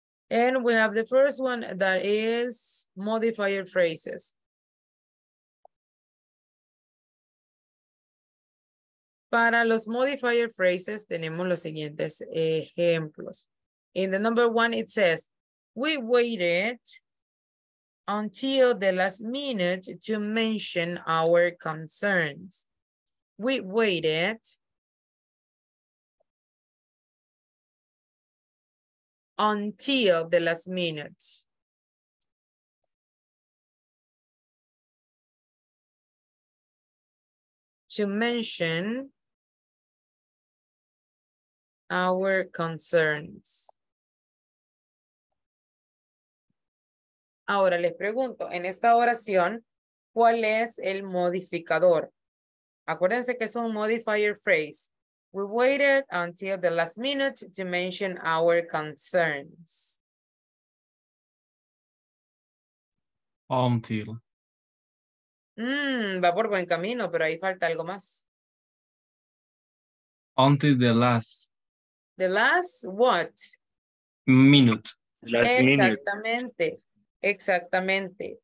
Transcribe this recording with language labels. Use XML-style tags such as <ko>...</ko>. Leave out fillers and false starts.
<en>And we have the first one that is modifier phrases.</en> <es>Para los modifier phrases, tenemos los siguientes ejemplos.</es> <en>In the number one, it says, we waited until the last minute to mention our concerns. We waited until the last minute. To mention our concerns.</en> <es>Ahora les pregunto, en esta oración, ¿cuál es el modificador? Acuérdense que es un modifier phrase.</es> <en>We waited until the last minute to mention our concerns. Until.</en> <es>Va por buen camino, pero ahí falta algo más.</es> <en>Until the last. The last what? Minute.</en> <es>Exactamente. Exactamente.</es>